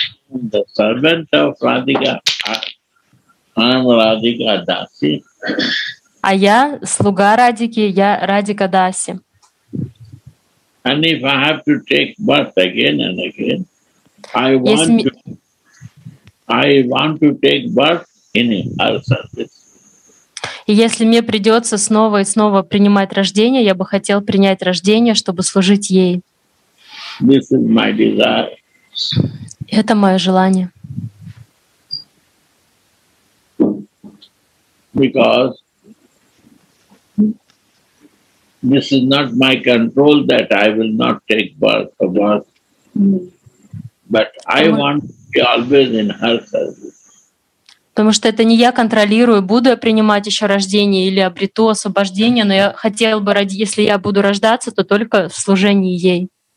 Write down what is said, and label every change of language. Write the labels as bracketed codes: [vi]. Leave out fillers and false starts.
[en] I'm the servant of Radhika. I'm Radhika Dasi. [ru] А я слуга Радики, я Радика Даси. [en] And if I have to take birth again and again, I want to take birth in her service. [ru] И если мне придется снова и снова принимать рождение, я бы хотел принять рождение, чтобы служить ей. [en] This is my desire. [ru] Это мое желание. [en] Because this is not my control that I will not take birth. But I want to be always in her service. [ru] Потому что это не я контролирую, буду я принимать еще рождение или обрету освобождение, но я хотел бы, если я буду рождаться, то только в служении ей.